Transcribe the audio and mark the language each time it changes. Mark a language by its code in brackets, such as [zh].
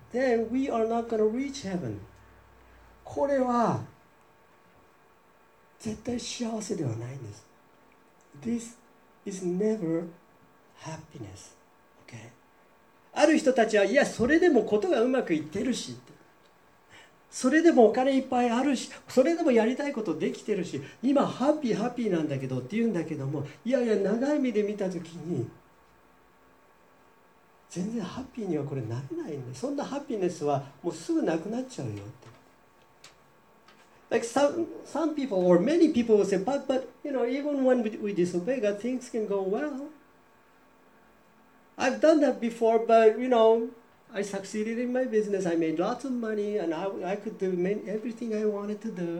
[en] Then we are not going to reach heaven. [ja] これは絶対幸せではないんです。 [en] This is never happiness. Okay? [ja] ある人たちはいやそれでもことがうまくいってるし、それでもお金いっぱいあるし、それでもやりたいことできてるし、今ハッピーハッピーなんだけどって言うんだけども、いやいや長い目で見たときに全然ハッピーにはこれなれないんで、そんなハッピネスはもうすぐなくなっちゃうよって。 [en] Like some people or many people will say, but you know, even when we disobey God, things can go well. I've done that before, but you know, I succeeded in my business. I made lots of money and I could do everything I wanted to do.